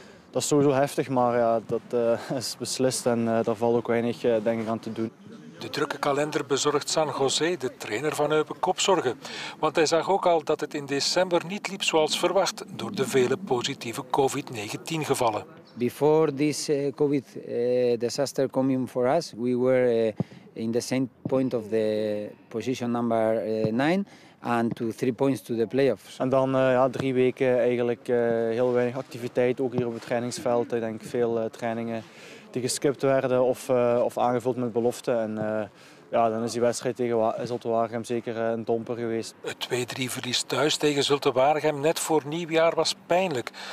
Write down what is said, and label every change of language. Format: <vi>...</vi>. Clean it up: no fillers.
<nl>Dat is sowieso heftig, maar ja, dat is beslist en daar valt ook weinig denk ik, aan te doen. De drukke kalender bezorgt San José, de trainer van Eupen, kopzorgen. Want hij zag ook al dat het in december niet liep zoals verwacht door de vele positieve COVID-19 gevallen.</nl> <en>Before this COVID disaster came for us, we were in the same point of the position number 9 and to 3 points to the playoffs.</en> <nl>En dan 3 weken eigenlijk heel weinig activiteit, ook hier op het trainingsveld. Ik denk veel trainingen die geskipt werden of aangevuld met beloften. En ja, dan is die wedstrijd tegen Zulte Waregem zeker een domper geweest. Het 2-3 verlies thuis tegen Zulte Waregem net voor nieuwjaar was pijnlijk.</nl>